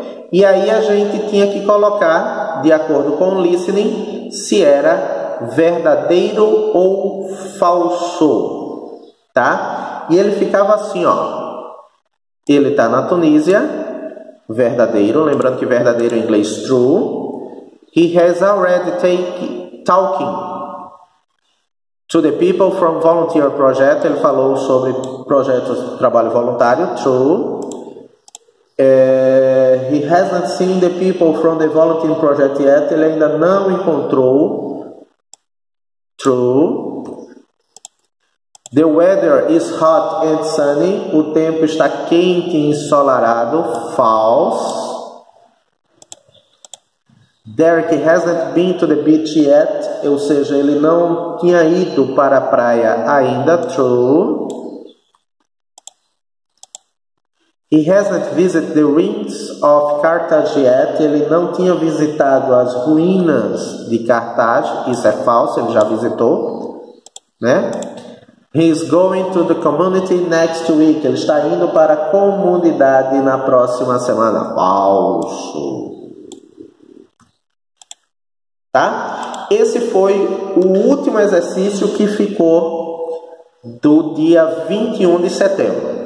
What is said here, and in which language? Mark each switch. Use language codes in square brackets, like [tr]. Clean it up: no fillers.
[pt] E aí a gente tinha que colocar, de acordo com o listening, se era verdadeiro ou falso, tá? E ele ficava assim, ó. Ele está na Tunísia, verdadeiro, lembrando que verdadeiro em inglês, true. [en] He has already taken talking to the people from volunteer project. [pt] Ele falou sobre projetos de trabalho voluntário, true. [en] He hasn't seen the people from the volunteer project yet. [pt] Ele ainda não encontrou, true. [en] The weather is hot and sunny. [pt] O tempo está quente e ensolarado. [en] False. Derek hasn't been to the beach yet. [pt] Ou seja, ele não tinha ido para a praia ainda. [en] True. He hasn't visited the ruins of Carthage yet. [pt] Ele não tinha visitado as ruínas de Carthage. Isso é falso. Ele já visitou, né? [en] He is going to the community next week. [pt] Ele está indo para a comunidade na próxima semana. Falso. Tá? Esse foi o último exercício que ficou do dia 21 de setembro.